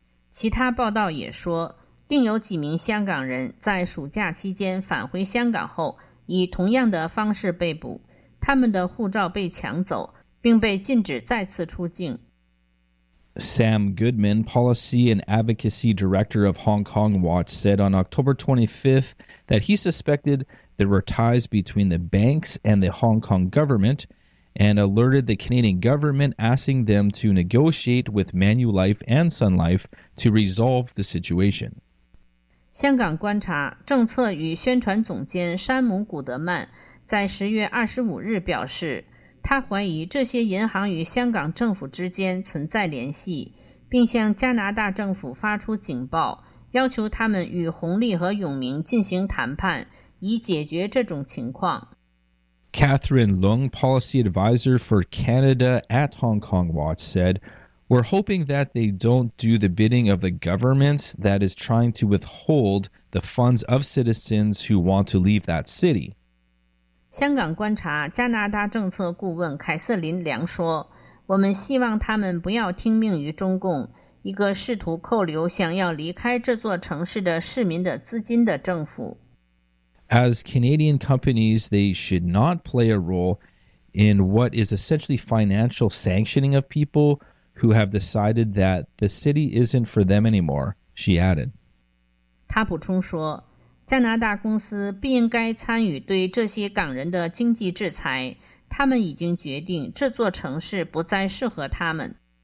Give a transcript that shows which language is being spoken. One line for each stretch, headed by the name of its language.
Chinese: 其他报道也说，另有几名香港人在暑假期间返回香港后以同样的方式被捕，他们的护照被抢走，并被禁止再次出境。
English: Sam Goodman, Policy and Advocacy Director of Hong Kong Watch, said on October 25th that he suspected there were ties between the banks and the Hong Kong government and alerted the Canadian government, asking them to negotiate with Manulife and Sun Life to resolve the situation.
Chinese: 香港观察政策与宣传总监山姆·古德曼在10月25日表示，他怀疑这些银行与香港政府之间存在联系，并向加拿大政府发出警报，要求他们与红利和永明进行谈判，以解决这种情况。
English: Catherine Leung, Policy Advisor for Canada at Hong Kong Watch, said,We're hoping that they don't do the bidding of the government that is trying to withhold the funds of citizens who want to leave that city.
Chinese: 香港观察加拿大政策顾问凯瑟琳·梁说，我们希望他们不要听命于中共，一个试图扣留想要离开这座城市的市民的资金的政府。
English: As Canadian companies, they should not play a role in what is essentially financial sanctioning of people,who have decided that the city isn't for them anymore, she added.
Chinese: 她补充说，加拿大公司不应该参与对这些港人的经济制裁，他们已经决定这座城市不再适合他们。